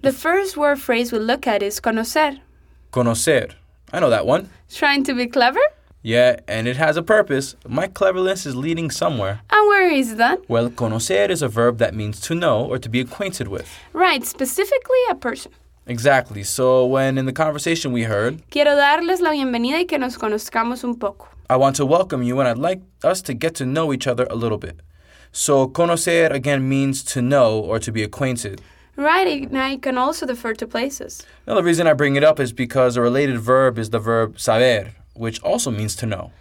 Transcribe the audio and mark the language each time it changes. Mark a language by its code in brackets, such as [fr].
[en] The first word phrase we'll look at is conocer. Conocer. I know that one. Trying to be clever? Yeah, and it has a purpose. My cleverness is leading somewhere. And where is that? Well, conocer is a verb that means to know or to be acquainted with. Right, specifically a person. Exactly. So when in the conversation we heard... [es] Quiero darles la bienvenida y que nos conozcamos un poco. [en] I want to welcome you and I'd like us to get to know each other a little bit. So, conocer, again, means to know or to be acquainted. Right, now you can also defer to places. Now, the reason I bring it up is because a related verb is the verb saber, which also means to know.